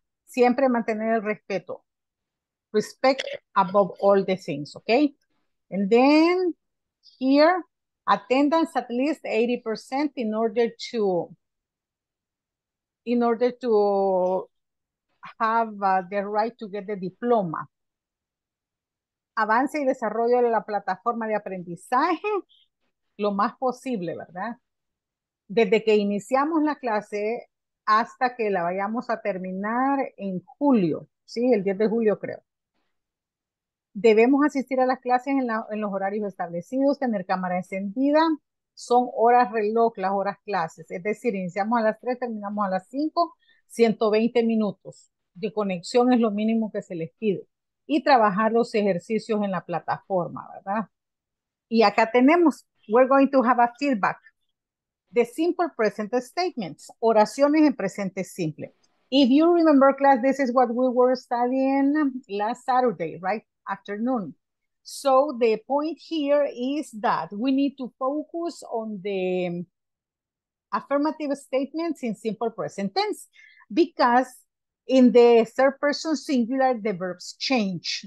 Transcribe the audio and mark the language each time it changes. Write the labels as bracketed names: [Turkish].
[Spanish] Siempre mantener el respeto. [English] Respect above all the things, okay? And then here, attendance at least 80% in order to have the right to get the diploma. [Spanish] Avance y desarrollo de la plataforma de aprendizaje lo más posible, ¿verdad? Desde que iniciamos la clase hasta que la vayamos a terminar en julio, ¿sí? El 10 de julio, creo. Debemos asistir a las clases en los horarios establecidos, tener cámara encendida. Son horas reloj, las horas clases. Es decir, iniciamos a las 3, terminamos a las 5, 120 minutos de conexión es lo mínimo que se les pide. Y trabajar los ejercicios en la plataforma, ¿verdad? Y acá tenemos, [English] we're going to have a feedback. The simple present statements, [Spanish] oraciones en presente simple. [English] If you remember class, this is what we were studying last Saturday, right? Afternoon. So the point here is that we need to focus on the affirmative statements in simple present tense, because in the third person singular, the verbs change.